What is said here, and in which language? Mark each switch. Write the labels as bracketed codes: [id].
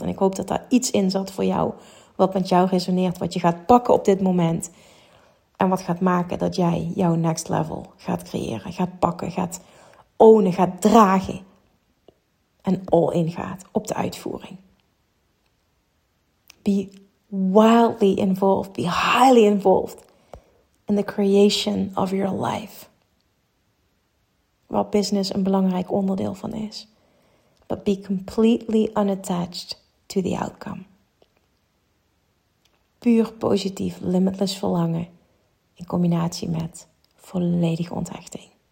[nl] En ik hoop dat daar iets in zat voor jou. Wat met jou resoneert, wat je gaat pakken op dit moment. En wat gaat maken dat jij jouw next level gaat creëren, gaat pakken, gaat ownen, gaat dragen. En all in gaat op de uitvoering. [en] Be wildly involved, be highly involved in the creation of your life. [nl] Waar business een belangrijk onderdeel van is. [en] But be completely unattached to the outcome. [nl] Puur positief, limitless verlangen in combinatie met volledige onthechting.